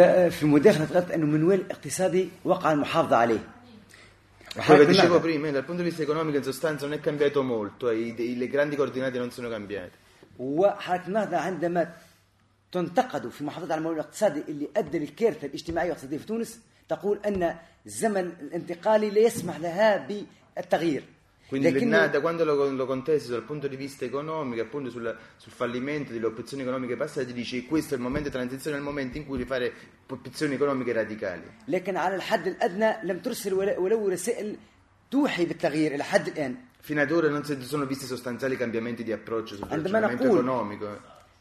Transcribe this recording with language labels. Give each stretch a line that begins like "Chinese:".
Arabic: في مداخلة قلت أنه منوال اقتصادي وقع المحافظة عليه.
Italian: Come dicevo prima, dal punto di vista economico in sostanza non è cambiato molto, le grandi coordinate non sono cambiate.
Arabic: وحركة النهضة عندما تنتقد في محافظة على المنوال الاقتصادي اللي أدى للكارثة الاجتماعية والاقتصادية في تونس تقول أن الزمن الانتقالي لا يسمح لها بالتغيير.
Italian: Quindi l'Ennahda quando lo contesti dal punto di vista economico, appunto sul fallimento delle opzioni economiche passate, dice questo è il momento di transizione, è il momento in cui rifare opzioni economiche radicali. Fino ad ora non si sono visti sostanziali cambiamenti di approccio sul funzionamento economico.